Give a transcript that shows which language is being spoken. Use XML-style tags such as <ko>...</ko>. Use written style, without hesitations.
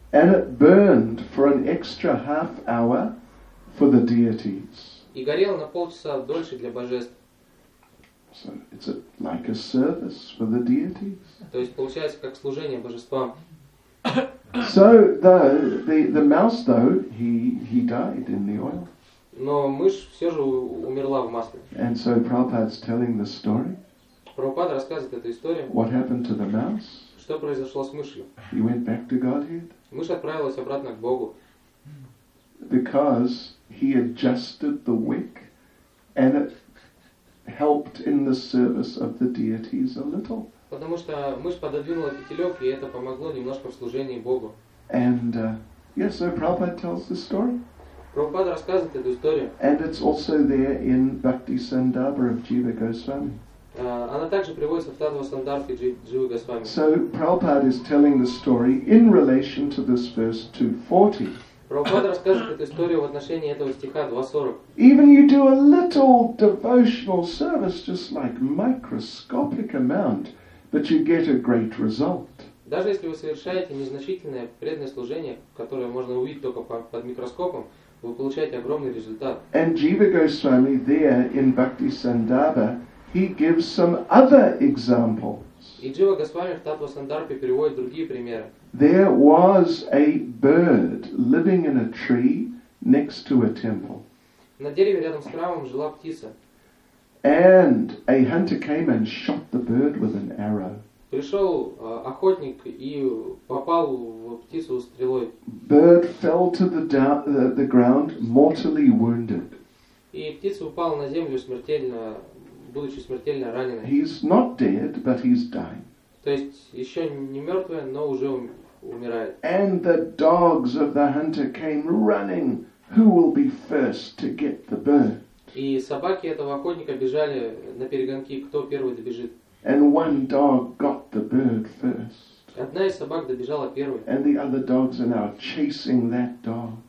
<en>And it burned for an extra half hour for the deities.</en> <ru>И горел на полчаса дольше для божеств.</ru> <en>So it's like a service for the deities.</en> <ru>То есть получается как служение божествам.</ru> <en>So the mouse though he died in the oil.</en> <ru>Но мышь все же умерла в масле.</ru> <en>And so Prabhupada's telling the story.</en> <ru>Прабхупада рассказывает эту историю.</ru> <en>What happened to the mouse?</en> <ru>Что произошло с мышью?</ru> <en>He went back to Godhead.</en> <ru>Мышь отправилась обратно к Богу.</ru> <en>Because he adjusted the wick and it helped in the service of the deities a little.</en> <ru>Потому что мышь пододвинула фитилек, и это помогло немножко в служении Богу.</ru> <en>And so Prabhupada tells the story.</en> <ru>Прабхупада рассказывает эту историю.</ru> <en>And it's also there in Bhakti Sandarbha of Jiva Goswami.</en> <ru>Она также приводится в Таттва Сандарбхи Дживы Госвами.</ru> <en>So Prabhupada is telling the story in relation to this verse 240.</en> <ru>Прабхупада рассказывает эту историю в отношении этого стиха 240.</ru> <en>Even you do a little devotional service, just like microscopic amount, but you get a great result.</en> <ru>Даже если вы совершаете незначительное преданное служение, которое можно увидеть только под микроскопом, вы получаете огромный результат.</ru> <en>And Jiva Goswami there in Bhakti Sandarbha, he gives some other examples.</en> <ru>И Джива Госвами в Таттва Сандарбхе приводит другие примеры.</ru> <en>There was a bird living in a tree next to a temple.</en> <ru>На дереве рядом с храмом жила птица.</ru> <en>And a hunter came and shot the bird with an arrow.</en> <ru>Пришел охотник и попал в птицу стрелой.</ru> <en>Bird fell to the ground mortally wounded.</en> <ru>И птица упала на землю смертельно. Будучи смертельно раненым.</ru> <en>He's not dead, but he's dying.</en> <ru>То есть еще не мертвый, но уже умирает.</ru> <en>And the dogs of the hunter came running. Who will be first to get the bird?</en> <ru>И собаки этого охотника бежали на перегонки, кто первый добежит.</ru> <en>And one dog got the bird first.</en> <ru>Одна из собак добежала первой.</ru> <en>And the other dogs are now chasing that dog.</en>